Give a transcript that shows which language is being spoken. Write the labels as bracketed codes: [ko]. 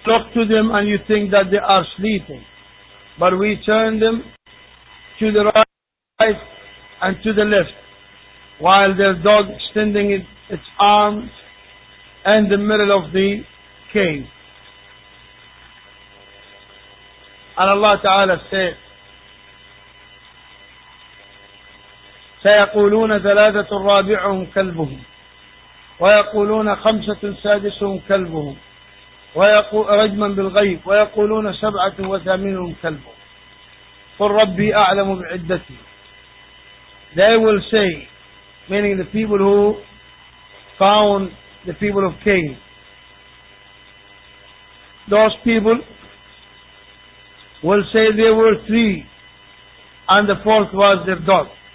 [en] Look to them and you think that they are sleeping. But we turn them to the right and to the left. While their dog extending its arms in the middle of the cave. And Allah Ta'ala said, [ar] سيقولون ثلاثة رابعهم كلبهم ويقولون خمسة سادسهم كلبهم رجما بالغيب ويقولون سبعة وثامنهم كلبهم قل ربي أعلم بعدتي. [en] They will say, meaning the people who found the people of Cain, those people will say there were three and the fourth was their dog.